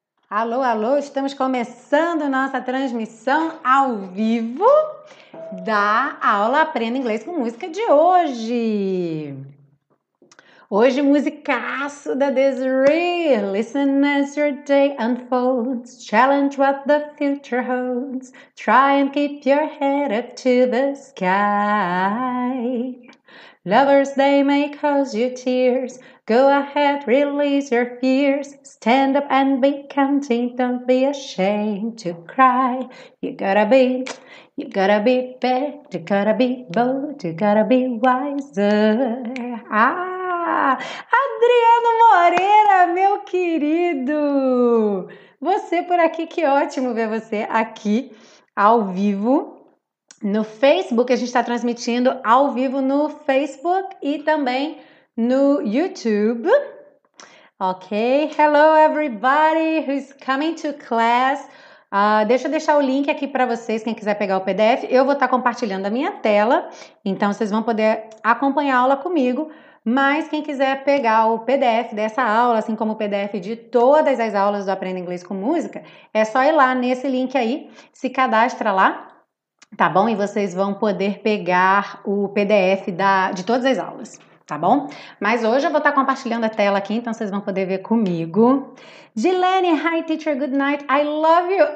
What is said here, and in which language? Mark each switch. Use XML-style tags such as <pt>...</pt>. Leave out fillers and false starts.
<pt>Alô, alô, estamos começando nossa transmissão ao vivo da aula Aprenda Inglês com Música de hoje. Hoje, musicaço da Desiree.</pt> <en>Listen as your day unfolds. Challenge what the future holds. Try and keep your head up to the sky. Lovers, they may cause you tears. Go ahead, release your fears. Stand up and be counting. Don't be ashamed to cry. You gotta be big. You gotta be bold. You gotta be wiser. Ah!</en> <pt>Adriano Moreira, meu querido, você por aqui, que ótimo ver você aqui ao vivo no Facebook. A gente está transmitindo ao vivo no Facebook e também no YouTube, ok?</pt> <en>Hello everybody who's coming to class.</en> <pt>Deixa eu deixar o link aqui para vocês, quem quiser pegar o PDF. Eu vou estar compartilhando a minha tela, então vocês vão poder acompanhar a aula comigo. Mas quem quiser pegar o PDF dessa aula, assim como o PDF de todas as aulas do Aprenda Inglês com Música, é só ir lá nesse link aí, se cadastra lá, tá bom? E vocês vão poder pegar o PDF de todas as aulas, tá bom? Mas hoje eu vou estar compartilhando a tela aqui, então vocês vão poder ver comigo.</pt> <en>Gilene, hi teacher, good night, I love you.</en>